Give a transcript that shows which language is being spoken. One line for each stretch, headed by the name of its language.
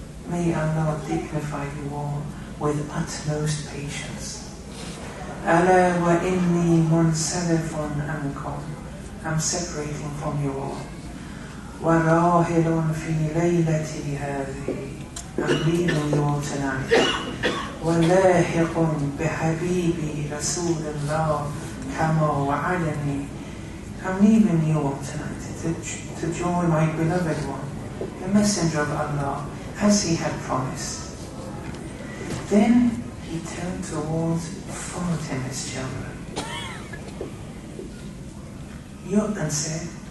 English: May Allah dignify you all with utmost patience.
Arabic: ألا وإني منسلف عنكم.
English: I'm separating from you all.
Arabic: وراهل في ليلتي هذه.
English: I'm leaving you all tonight.
Arabic: ولاحق بحبيبي رسول الله كما وعدني.
English: I'm leaving you all tonight to join my beloved one, the messenger of Allah, as he had promised. Then he turned towards Fatima's children and said,